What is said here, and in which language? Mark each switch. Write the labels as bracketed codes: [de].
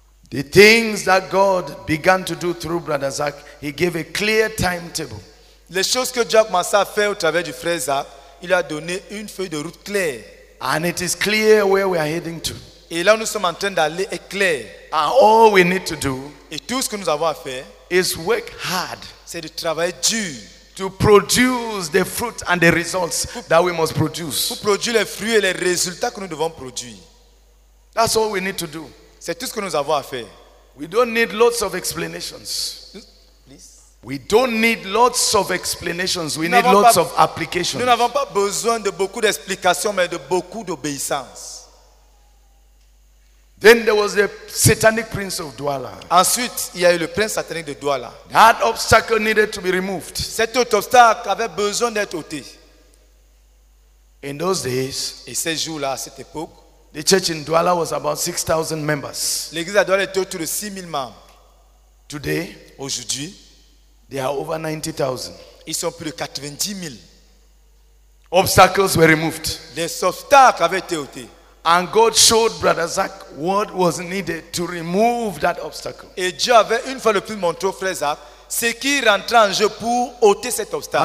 [en] The things that God began to do through Brother Zach, he gave a clear timetable. [fr] Les choses que Dieu a commencé à faire au travers du frère Zach, il lui a donné une feuille de route claire. [en] And it is clear where we are heading to. [fr] Et là où nous sommes en train d'aller est clair. [en] And all we need to do, [fr] et tout ce que nous avons à faire, [en] is work hard. [fr] C'est de travailler dur. [en] To produce the fruit and the results that we must produce. [fr] Pour produire les fruits et les résultats que nous devons produire. [en] That's all we need to do. [fr] C'est tout ce que nous avons à faire. [en] We don't need lots of explanations. Please. We don't need lots of explanations. We need lots of applications. [fr] Nous n'avons pas besoin de beaucoup d'explications, mais de beaucoup d'obéissance. [en] Then there was the satanic prince of Douala. [fr] Ensuite, il y a eu le prince satanique de Douala. [en] That obstacle needed to be removed. [fr] Cet autre obstacle avait besoin d'être ôté. [en] In those days. [fr] Et ces jours-là, à cette époque. [en] The church in Douala was about 6,000 members. [fr] L'église à Douala était autour de 6,000 membres. [en] Today, [fr] aujourd'hui, [en] they are over 90,000. [fr] Ils sont plus de 90,000. [en] Obstacles were removed. [fr] Les obstacles avaient été ôtés. [en] And God showed Brother Zach what was needed to remove that obstacle. [fr] Et Dieu avait une fois le plus montré au frère Zach ce qui rentrait en jeu pour ôter cet obstacle.